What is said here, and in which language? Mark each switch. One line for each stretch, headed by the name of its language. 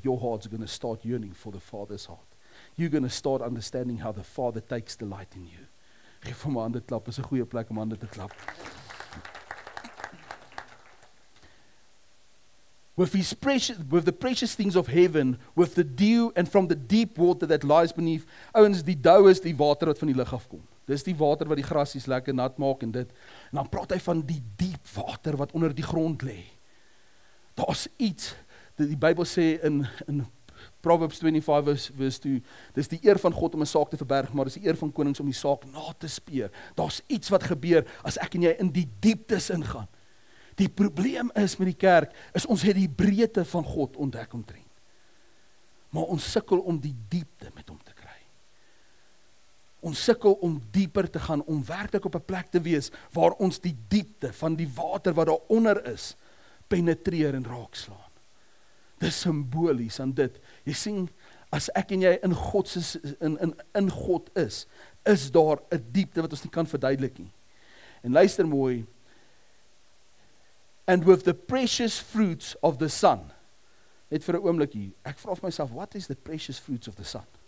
English: Your heart's going to start yearning for the Father's heart. You're going to start understanding how the Father takes delight in you.
Afrikaans: Geef hom 'n hande klap, is 'n goeie plek om hande te klap.
English: With the precious things of heaven, with the dew and from the deep water that lies beneath.
Afrikaans: Ouens, die dew is die water wat van die lug af kom. Dis die water wat die grasies lekker nat maak en dit. En dan praat hy van die diep water wat onder die grond lê. Daar's iets dat die Bybel sê in Proverbs 25 verse 2, dis die eer van God om 'n saak te verberg, maar dis die eer van konings om die saak na te speur. Daar's iets wat gebeur as ek en jy in die dieptes ingaan. Die probleem is met die kerk, is ons het die breedte van God ontdek omtrent. Maar ons sukkel om die diepte met hom te kry. Ons sukkel om dieper te gaan, om werklik op 'n plek te wees, waar ons die diepte van die water wat daaronder is, penetreer en raakslaan. Dis simbolies aan dit. Jy sien, as ek en jy in God is, is daar 'n diepte wat ons nie kan verduidelik nie. En luister mooi.
English: And with the precious fruits of the sun.
Afrikaans: Net vir 'n oomblik hier. Ek vra myself,
English: what is the precious fruits of the sun?